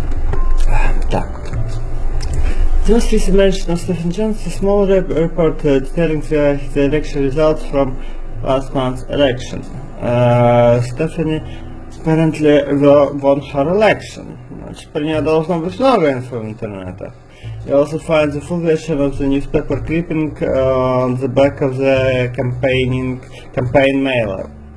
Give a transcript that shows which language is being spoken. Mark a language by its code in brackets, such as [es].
[en] The most recent mention of Stephen Jones, a small report detailing the election results from last month's election. Stephanie apparently won her election. [ru] Значит, про нее должно быть много инфо в интернете. [en] You also find the full version of the newspaper clipping on the back of the campaign mailer.